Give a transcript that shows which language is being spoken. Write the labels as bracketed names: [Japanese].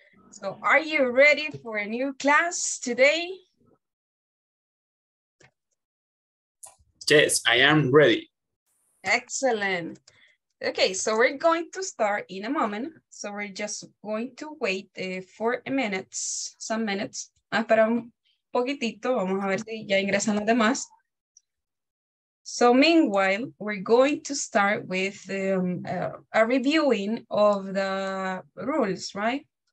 [English] So, are you ready for a new class today? Yes, I am ready. Excellent. Okay, so we're going to start in a moment. So we're just going to wait for a minute, some minutes. [Spanish] Espera un poquitito, vamos a ver si ya ingresan los demás. [English] So meanwhile, we're going to start with a reviewing of the rules, right?